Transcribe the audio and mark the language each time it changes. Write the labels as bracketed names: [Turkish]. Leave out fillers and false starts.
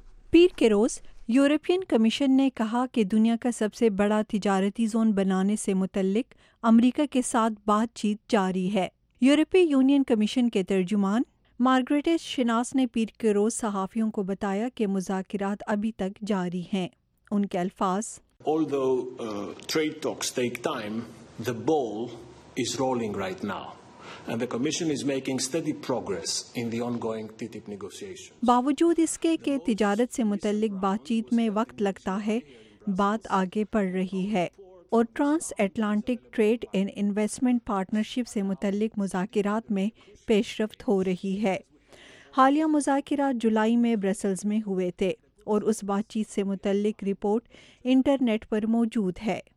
[Urdu] پیر کے روز European commission نے کہا کہ دنیا کا سب سے بڑا تجارتی زون بنانے سے متعلق امریکہ کے ساتھ بات چیت جاری ہے. یورپی یونین کمیشن کے ترجمان مارگریٹس شناس نے پیر کے روز صحافیوں کو بتایا کہ مذاکرات ابھی تک جاری ہیں. ان کے الفاظ, [English] Although trade talks take time, the ball is rolling right now and the commission is making steady progress in the ongoing TTIP negotiations. [Urdu] باوجود اس کے کہ تجارت سے متعلق بات چیت میں وقت لگتا ہے, بات آگے بڑھ رہی ہے اور trans Atlantic trade and investment partnership سے متعلق مذاکرات میں پیش رفت ہو رہی ہے. حالیہ مذاکرات جولائی میں برسلز میں ہوئے تھے اور اس بات چیت سے متعلق رپورٹ انٹرنیٹ پر موجود ہے.